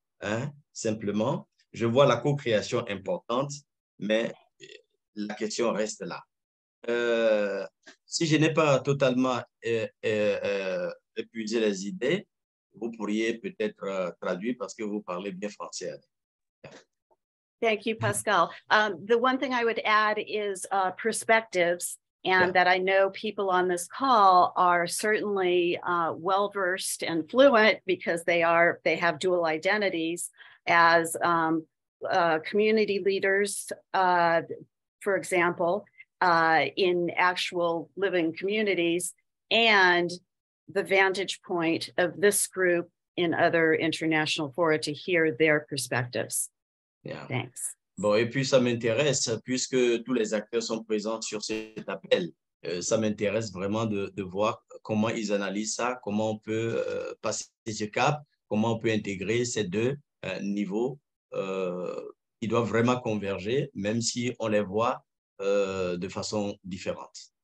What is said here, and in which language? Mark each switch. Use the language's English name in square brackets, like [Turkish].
[French] Hein, simplement, je vois la co-création importante, mais la question reste là. Si je n'ai pas totalement épuisé les idées, vous pourriez peut-être traduire parce que vous parlez bien français. [English] Thank you, Pascal. The one thing I would add is perspectives. And that I know people on this call are certainly well-versed and fluent because they have dual identities as community leaders, for example, in actual living communities, and the vantage point of this group in other international fora to hear their perspectives. Yeah. Thanks. [French] Bon, et puis ça m'intéresse, puisque tous les acteurs sont présents sur cet appel, ça m'intéresse vraiment de voir comment ils analysent ça, comment on peut passer ce cap, comment on peut intégrer ces deux niveaux qui doivent vraiment converger, même si on les voit de façon différente.